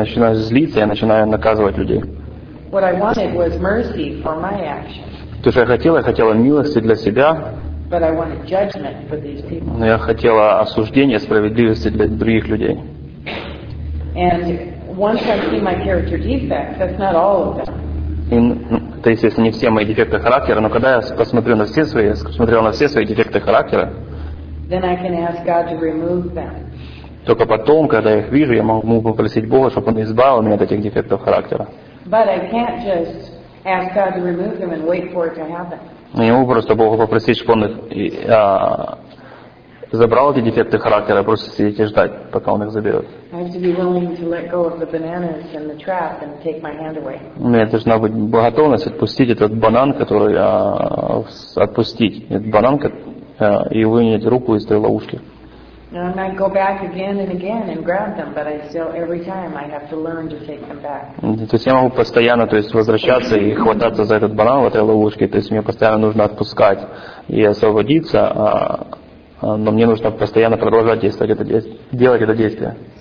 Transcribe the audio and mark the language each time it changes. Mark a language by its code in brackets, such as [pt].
[en] What I wanted was mercy for my actions. [ru] То, что я хотела милости для себя. [en] But I wanted judgment for these people. [ru] Но я хотела осуждения, справедливости для других людей. [en] And once I see my character defects, that's not all of them. [ru] И, ну, это, естественно, не все мои дефекты характера, но когда я посмотрел на все свои дефекты характера, [en] then I can ask God to remove them. [ru] Только потом, когда я их вижу, я могу попросить Бога, чтобы Он избавил меня от этих дефектов характера. [en] But I can't just ask God to remove them and wait for it to happen. [ru] Не могу просто Бога попросить, чтобы Он забрал эти дефекты характера, а просто сидеть и ждать, пока Он их заберет. [en] I have to be willing to let go of the bananas and the trap and take my hand away. [ru] У меня должна быть готовность отпустить этот банан, который отпустить этот банан и вынуть руку из этой ловушки. [en] And I might go back again and again and grab them, but I still, every time, I have to learn to take them back. [ru] То есть я могу постоянно, то есть возвращаться и хвататься за этот банан в этой ловушке. То есть мне постоянно нужно отпускать и освободиться, но мне нужно постоянно продолжать действовать это действие, делать это действие.